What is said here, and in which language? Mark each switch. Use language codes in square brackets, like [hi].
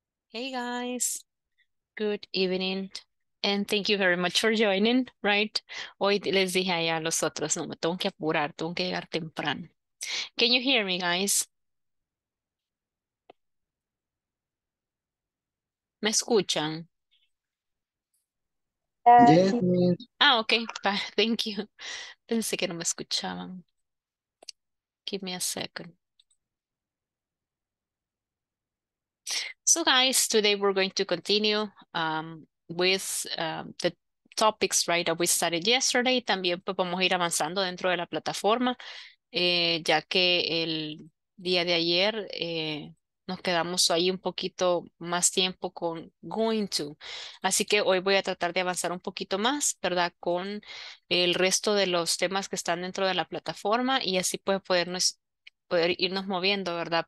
[en] Hey guys, good evening, and thank you very much for joining, right? [es] Hoy les dije allá a los otros, no me tengo que apurar, tengo que llegar temprano. [en] Can you hear me, guys? [es] ¿Me escuchan? Sí. [en] Ah, okay, bye, thank you. [es] Pensé que no me escuchaban. [en] Give me a second. So guys, today we're going to continue with the topics, right, that we started yesterday. [es] También pues, vamos a ir avanzando dentro de la plataforma, ya que el día de ayer nos quedamos ahí un poquito más tiempo con going to. Así que hoy voy a tratar de avanzar un poquito más, ¿verdad? Con el resto de los temas que están dentro de la plataforma y así pues poder irnos moviendo, ¿verdad?